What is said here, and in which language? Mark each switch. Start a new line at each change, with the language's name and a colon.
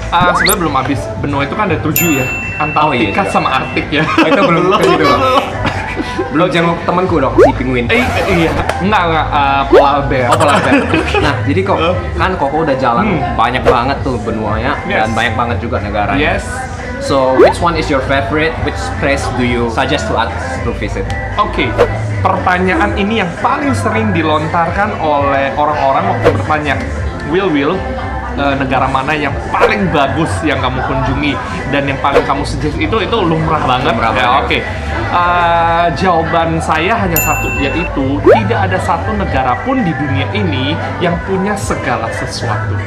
Indonesian: Sebenarnya belum habis. Benua itu kan ada 7 ya. Antartika, oh, iya, iya. Sama Artik ya. Oh, itu belum. Belum jenguk temanku dong, si penguin. Iya. Enggak, polar bear. Oh, polar bear. Nah, jadi kok kan Koko udah jalan banyak banget tuh benuanya,
English: yes.
Indonesian: Dan banyak banget juga negaranya.
English: Yes. So, which one is your favorite? Which place do you suggest to us to visit? Okay.
Indonesian: Pertanyaan ini yang paling sering dilontarkan oleh orang-orang waktu bertanya, Will, negara mana yang paling bagus yang kamu kunjungi dan yang paling kamu
English: suggest,
Indonesian: itu lumrah banget. Lumrah banget. Ya, oke. Okay. Jawaban saya hanya satu, yaitu tidak ada satu negara pun di dunia ini yang punya segala sesuatu.